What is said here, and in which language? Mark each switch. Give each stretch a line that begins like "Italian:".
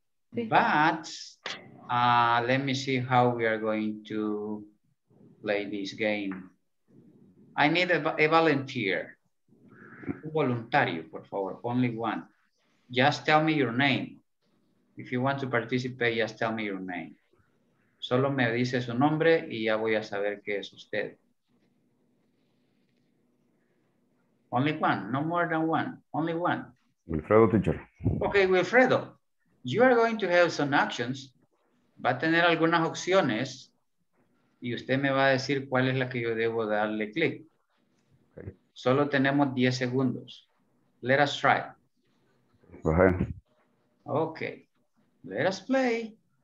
English: But let me see how we are going to play this game. I need a volunteer.
Spanish: Un voluntario, por favor,
English: only one. Just tell me your name. If you want to participate, just tell me your name.
Spanish: Solo me dice su nombre y ya voy a saber qué es usted.
English: Only one, no more than one, only one. Wilfredo, teacher. Okay, Wilfredo, you are going to have some actions.
Spanish: Va a tener algunas opciones y usted me va a decir cuál es la que yo debo darle clic. Solo tenemos 10 segundos.
English: Let us try. Go ahead. Okay. Let us play.